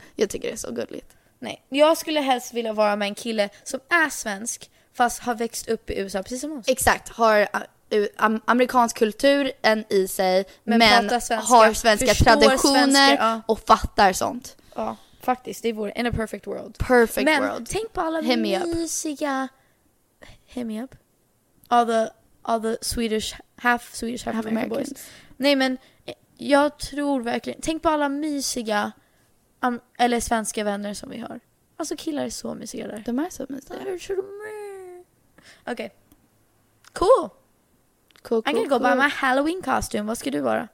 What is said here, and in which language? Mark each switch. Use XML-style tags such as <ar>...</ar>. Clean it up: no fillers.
<sv>Jag tycker det är så gulligt. Nej, jag skulle helst vilja vara med en kille som är svensk fast har växt upp i USA precis som oss. Exakt, har amerikansk kultur än i sig men svenska, har svenska traditioner svenska, ja. Och fattar sånt. Ja, faktiskt, det vore</sv> <en>in a perfect world. Perfect</en> <sv>men</sv> <en>world.</en> <sv>Men tänk på alla mysiga</sv> <en>hit me up. All the Swedish half Swedish half American boys.</en> <sv>Nej men jag tror verkligen tänk på alla mysiga eller svenska vänner som vi har. Alltså killar är så mysiga där. De är så mysiga.</sv> <en>Okej. Cool. I can go by my Halloween costume.</en> <sv>Vad ska du vara?</sv>